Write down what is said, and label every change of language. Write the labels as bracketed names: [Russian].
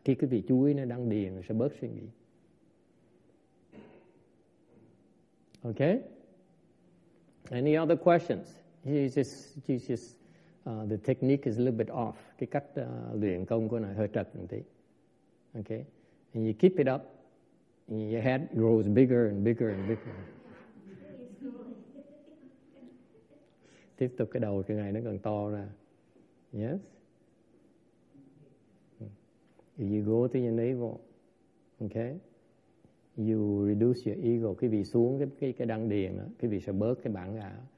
[Vietnamese] Khi quý vị chú ý nơi dan dien sẽ bớt suy nghĩ. [English] Okay? Any other questions? The technique is a little bit off. [Vietnamese] Cái cách luyện công của này hơi trật một tí. [English] Okay? And you keep it up, and your head grows bigger and bigger and bigger. [Vietnamese] Tiếp tục cái đầu cái ngày nó càng to ra. [English] Yes? You go to your navel. Okay? You reduce your ego. [Vietnamese] Cái vị xuống cái đăng điền, cái vị sẽ bớt cái bản ngã.